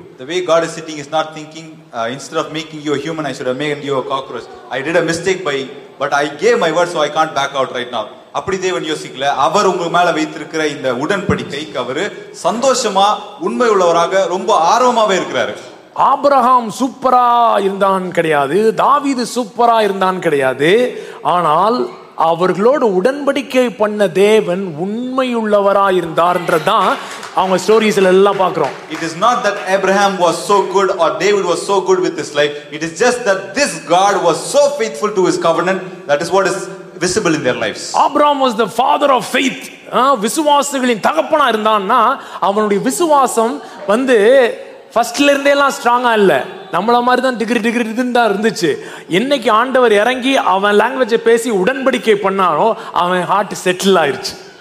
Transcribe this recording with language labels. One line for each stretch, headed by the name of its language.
English: The way God is sitting is not thinking, instead of making you a human, I should have made you a cockroach. I did a mistake by, but I gave my word, so I can't back out right now.
Tamil: அப்படி தேவன் யோசிக்கல. அவர் உங்க மேல வைத்திருக்கிற இந்த உடன்படிக்கை, அவர் சந்தோஷமா உண்மை உள்ளவராக ரொம்ப ஆர்வமாவே இருக்கிறாரு. ஆபிரகாம் சூப்பரா இருந்தான் கிடையாது, தாவீது சூப்பரா இருந்தான் கிடையாது, ஆனால் அவர்களோடு உடன்படிக்கை பண்ண தேவன் உண்மையுள்ளவரா இருந்தார்ன்றதான் அவங்க ஸ்டோரிஸ்ல எல்லாம் பார்க்கறோம்.
English: It is not that Abraham was so good or David was so good with his life. It is just that this God was so faithful to his covenant. That is what is visible in their lives. Abraham was the father of faith.
Tamil: விசுவாசிகளின் தகப்பனா இருந்தான்னா அவனுடைய விசுவாசம் வந்து ஃபர்ஸ்ட்ல இருந்தே எல்லாம் ஸ்ட்ராங்கா இல்ல, நம்மள மாதிரி தான் டிகிரி டிகிரி இருந்தா இருந்துச்சு. இன்னைக்கு ஆண்டவர் இறங்கி அவன் லாங்குவேஜ் பேசி உடன்படிக்கை பண்ணாரோ அவன் ஹார்ட் செட்டில் ஆயிருச்சு.